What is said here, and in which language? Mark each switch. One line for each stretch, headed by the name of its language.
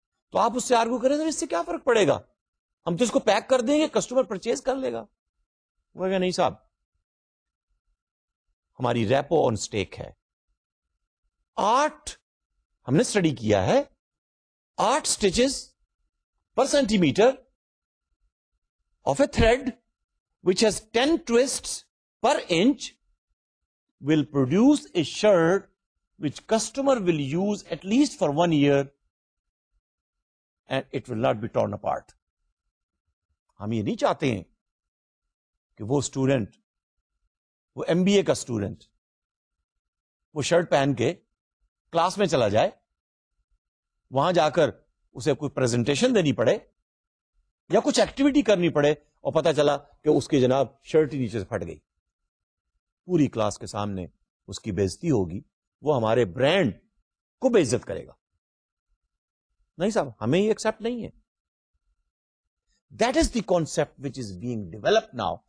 Urdu: تو آپ اس سے آرگو کریں سر اس سے کیا فرق پڑے گا, ہم تو اس کو پیک کر دیں گے کسٹمر پرچیز کر لے گا. وہ کہا نہیں صاحب ہماری ریپو آن سٹیک ہے, 8 ہم نے سٹڈی کیا ہے, 8 سٹچز پر centi metre
English: of a thread which has 10 twists per inch will produce a shirt which customer will use at least for 1 year and it will not be torn apart.
Urdu: ہم یہ نہیں چاہتے ہیں کہ وہ اسٹوڈنٹ وہ ایم بی اے کا student وہ شرٹ پہن کے کلاس میں چلا جائے وہاں جا کر اسے کوئی پریزنٹیشن دینی پڑے یا کچھ ایکٹیویٹی کرنی پڑے اور پتا چلا کہ اس کے جناب شرٹ ہی نیچے سے پھٹ گئی پوری کلاس کے سامنے اس کی بےزتی ہوگی وہ ہمارے برانڈ کو بے عزت کرے گا نہیں صاحب ہمیں یہ ایکسپٹ نہیں ہے
English: That is the concept which is being developed now.